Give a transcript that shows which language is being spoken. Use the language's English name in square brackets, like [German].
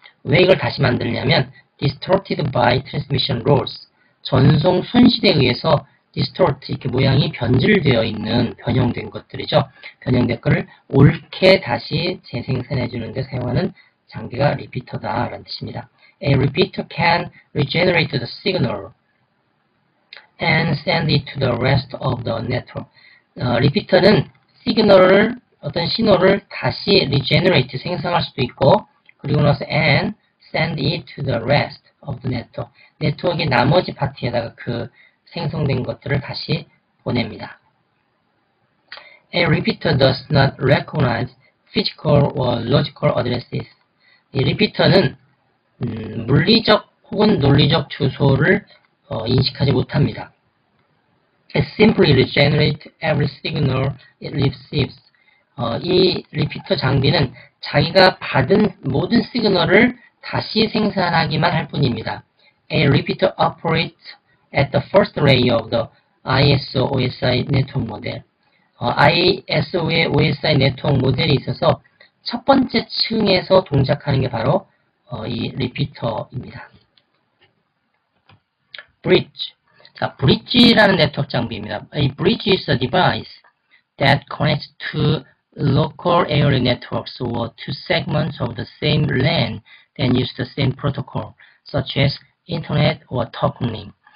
[Korean] 왜 이걸 다시 만들냐면 [English] distorted by transmission loss. [Korean] 전송 손실에 의해서 distort, 이렇게 모양이 변질되어 있는, 변형된 것들이죠. 변형된 것을 옳게 다시 재생산해주는데 사용하는 장비가 리피터다라는 뜻입니다. [English] a repeater can regenerate the signal and send it to the rest of the network. [Korean] Repeater는 signal을 어떤 신호를 다시 regenerate 생성할 수도 있고, 그리고 나서 [English] and send it to the rest of the network. [Korean] 네트워크의 나머지 파트에다가 그 생성된 것들을 다시 보냅니다. [English] A repeater does not recognize physical or logical addresses. [Korean] 이 리피터는 물리적 혹은 논리적 주소를 인식하지 못합니다. [English] It simply regenerates every signal it receives. [Korean] 이 리피터 장비는 자기가 받은 모든 시그널을 다시 생산하기만 할 뿐입니다. [English] A repeater operates at the first layer of the ISO OSI network model. [Korean] ISO의 OSI 네트워크 모델이 있어서 첫 번째 층에서 동작하는 게 바로 이 리피터입니다. Bridge. 자, Bridge라는 네트워크 장비입니다. [English] A bridge is a device that connects two local area networks or two segments of the same LAN that use the same protocol, such as internet or telecom.